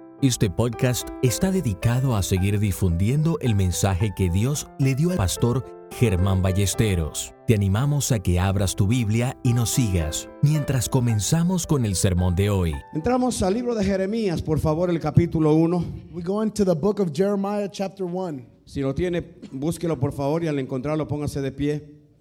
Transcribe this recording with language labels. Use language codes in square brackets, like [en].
[es] Este podcast está dedicado a seguir difundiendo el mensaje que Dios le dio al pastor Germán Ballesteros. Te animamos a que abras tu Biblia y nos sigas mientras comenzamos con el sermón de hoy. Entramos al libro de Jeremías, por favor, el capítulo 1. [en] We go into the book of Jeremiah, chapter 1. [es] Si lo tiene, búsquelo, por favor, y al encontrarlo, póngase de pie.